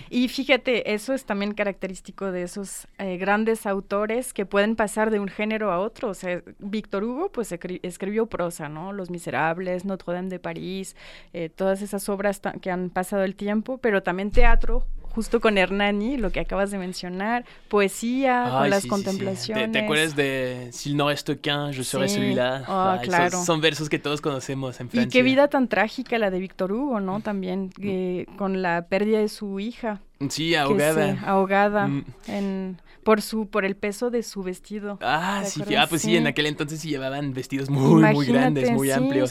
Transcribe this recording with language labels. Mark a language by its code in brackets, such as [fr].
[es] Y fíjate, eso es también característico de esos grandes autores que pueden pasar de un género a otro. O sea, Victor Hugo, pues escribió prosa, ¿no? Los Miserables, Notre Dame de París, todas esas obras que han pasado el tiempo, pero también teatro, justo con Hernani, lo que acabas de mencionar, poesía, contemplaciones. Sí. ¿Te acuerdas de [fr] S'il n'en reste qu'un, je serai celui-là? [es] Claro. Son versos que todos conocemos en Francia. Y qué vida tan trágica la de Víctor Hugo, ¿no? También con la pérdida de su hija. Sí, ahogada. Que, sí, ahogada. Mm. Por el peso de su vestido. Ah, sí, ah, pues sí, en aquel entonces sí llevaban vestidos muy, muy grandes, muy amplios.